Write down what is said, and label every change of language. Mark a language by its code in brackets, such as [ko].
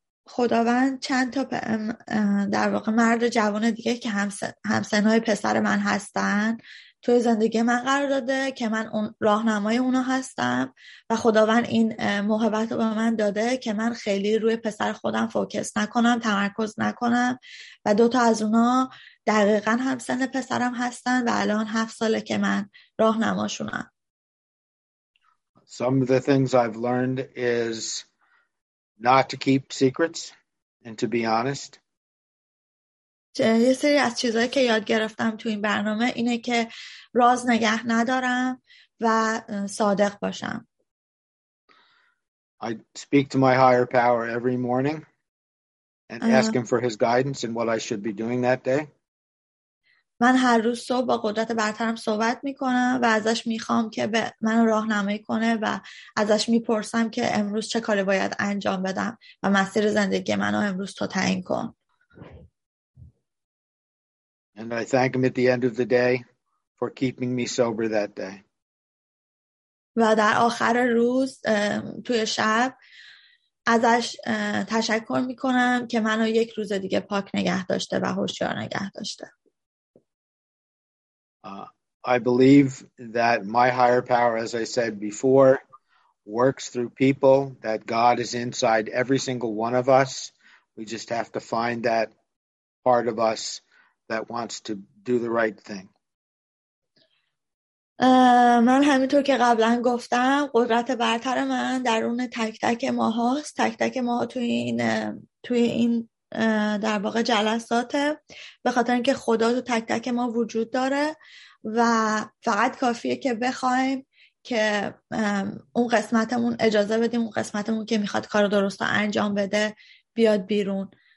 [fa] خداوند چند تا در واقع مرد جوان دیگه که همسنهای پسر من هستن توی زندگی من قرار داده که من راهنمای اونا هستم و خداوند این موهبت رو به من داده که من خیلی روی پسر خودم فوکس نکنم، تمرکز نکنم، و دوتا از اونا دقیقا همسن پسرم هستن و الان 7 ساله که من راهنماشونم. [en] Some of the things I've learned is not to keep secrets and to be honest. [fa] یه سری از چیزایی که یاد گرفتم تو این برنامه اینه که راز نگه ندارم و صادق باشم. [en] I speak to my higher power every morning and ask him for his guidance in what I should be doing that day. [fa] من هر روز صبح با قدرت برترم صحبت میکنم و ازش میخوام که منو راهنمایی کنه و ازش میپرسم که امروز چه کاری باید انجام بدم و مسیر زندگی منو امروز تو تعیین کن. [en] And I thank him at the end of the day for keeping me sober that day. [fa] و در آخر روز توی شب ازش تشکر میکنم که منو یک روز دیگه پاک نگه داشته و هوشیار نگه داشته. [en] I believe that my higher power, as I said before, works through people, that God is inside every single one of us. We just have to find that part of us that wants to do the right thing. [fa] من همینطور که قبلا گفتم قدرت برتر من درون تک تک ما هاست، تک تک ما توی این در واقع جلساته، به خاطر اینکه خدا تو تک تک ما وجود داره و فقط کافیه که بخوایم که اون قسمتمون اجازه بدیم، اون قسمتمون که میخواد کار درست انجام بده بیاد بیرون.